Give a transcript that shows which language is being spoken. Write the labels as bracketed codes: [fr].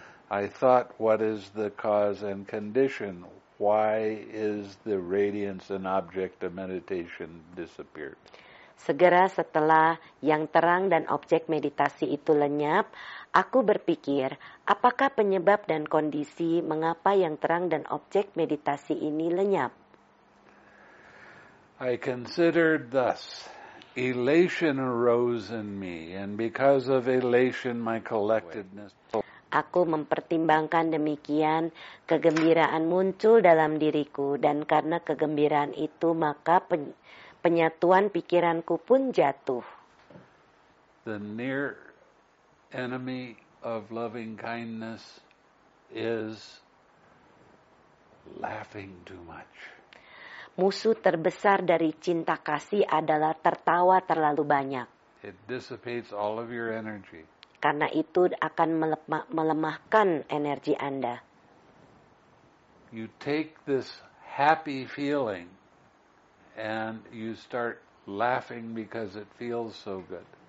[en] I thought, what is the cause and condition? Why is the radiance and object of meditation disappeared? [id] Segera setelah yang terang dan objek meditasi itu lenyap, aku berpikir, apakah penyebab dan kondisi mengapa yang terang dan objek meditasi ini lenyap? [en] I considered thus. Elation arose in me, and because of elation, my collectedness. [id] Aku mempertimbangkan demikian, kegembiraan muncul dalam diriku, dan karena kegembiraan itu, maka penyatuan pikiranku pun jatuh. [en] The near enemy of loving kindness is laughing too much. [id] Musuh terbesar dari cinta kasih adalah tertawa terlalu banyak. [en] It dissipates all of your energy. [id] Karena itu akan melemahkan energi Anda. [en] You take this happy feeling and you start laughing because it feels so good.